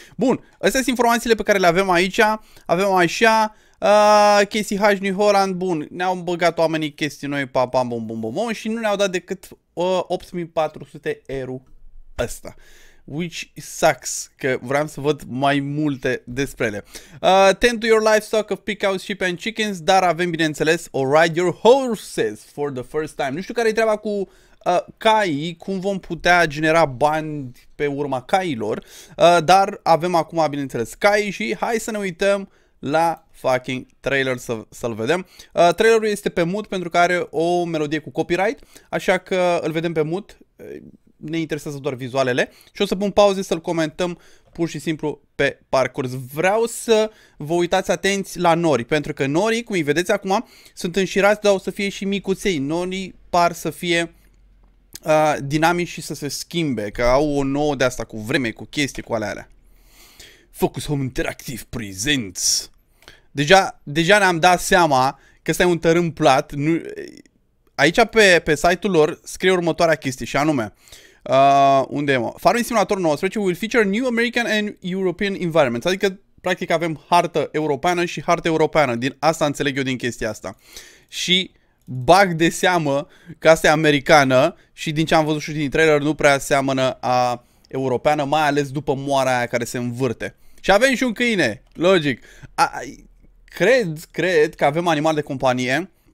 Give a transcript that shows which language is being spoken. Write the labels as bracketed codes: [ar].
[ro] Bun, astea sunt informațiile pe care le avem aici, avem așa. Casey Hage, New Holland, bun, ne-au băgat oamenii chestii noi, pam, pam, bum, bum, bum, și nu ne-au dat decât 8400R-ul ăsta. [en] Which sucks, [ro] că vreau să văd mai multe despre ele. [en] Tend to your livestock of pickouts, sheep and chickens, [ro] dar avem, bineînțeles, [en] or ride your horses for the first time. [ro] Nu știu care e treaba cu caii, cum vom putea genera bani pe urma cailor, dar avem acum, bineînțeles, cai și hai să ne uităm la fucking trailer să-l vedem. Trailerul este pe mute pentru că are o melodie cu copyright, așa că îl vedem pe mute. ne interesează doar vizualele și o să pun pauze să-l comentăm pur și simplu pe parcurs. Vreau să vă uitați atenți la nori, pentru că norii, cum îi vedeți acum, sunt înșirați, dar o să fie și micuței. Norii par să fie dinamici și să se schimbe, că au o nouă de asta cu vreme, cu chestii, cu alea. Focus Home Interactive Presents. Deja ne-am dat seama că ăsta e un tărâm plat. Nu... Aici pe site-ul lor scrie următoarea chestie și anume, unde e, mă? [en] Farming Simulator 19 will feature new American and European environments. [ro] Adică, practic, avem hartă europeană și hartă europeană. Din asta înțeleg eu din chestia asta. Și bag de seamă că asta e americană și din ce am văzut și din trailer nu prea seamănă a europeană, mai ales după moara aia care se învârte. Și avem și un câine, logic. Cred că avem animal de companie.